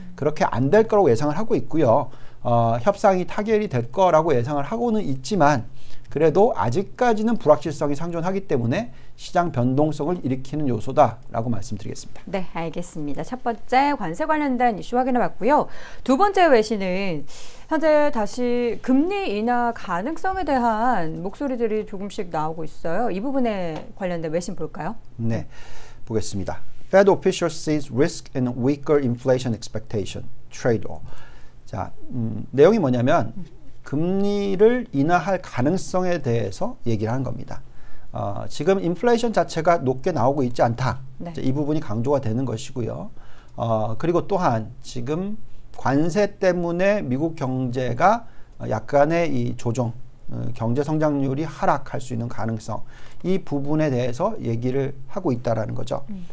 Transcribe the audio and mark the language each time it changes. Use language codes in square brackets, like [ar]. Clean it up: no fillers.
[ko] 그렇게 안 될 거라고 예상을 하고 있고요. 협상이 타결이 될 거라고 예상을 하고는 있지만 그래도 아직까지는 불확실성이 상존하기 때문에 시장 변동성을 일으키는 요소다라고 말씀드리겠습니다. 네, 알겠습니다. 첫 번째 관세 관련된 이슈 확인해봤고요. 두 번째 외신은 현재 다시 금리 인하 가능성에 대한 목소리들이 조금씩 나오고 있어요. 이 부분에 관련된 외신 볼까요? 네, 보겠습니다. [en] Fed official sees risk in weaker inflation expectation trade-off. [ko] 자, 내용이 뭐냐면 금리를 인하할 가능성에 대해서 얘기를 하는 겁니다. 지금 인플레이션 자체가 높게 나오고 있지 않다. 네. 이 부분이 강조가 되는 것이고요. 그리고 또한 지금 관세 때문에 미국 경제가 약간의 이 조정, 경제 성장률이 하락할 수 있는 가능성 이 부분에 대해서 얘기를 하고 있다라는 거죠.